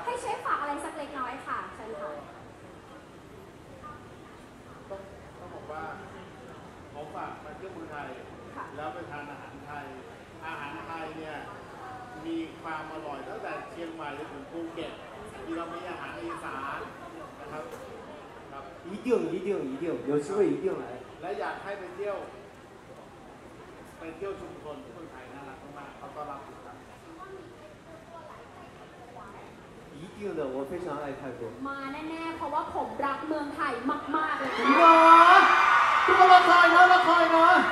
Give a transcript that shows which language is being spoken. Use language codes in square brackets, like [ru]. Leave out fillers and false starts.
[th] ให้เชฟฝากอะไรสักเล็กน้อยค่ะเชิญค่ะ ต้องบอกว่าผมฝากมาเที่ยวเมืองไทยแล้วไปทานอาหารไทยอาหารไทยเนี่ยมีความอร่อยตั้งแต่เชียงใหม่ถึงภูเก็ตที่เรามีอาหารอีสานนะครับครับ [zh] 一定一定一定有机会一定来 [th] และอยากให้ไปเที่ยวไปเที่ยวชุมชนคนไทยน่ารักมากเขาต้อนรับ [zh] 一定的，我非常爱泰国。 [th] มาแน่ๆเพราะว่าผมรักเมืองไทยมากๆเลย ค่ะ。 ถูกต้องทุกคนรักไทยนะรักไทยนะ。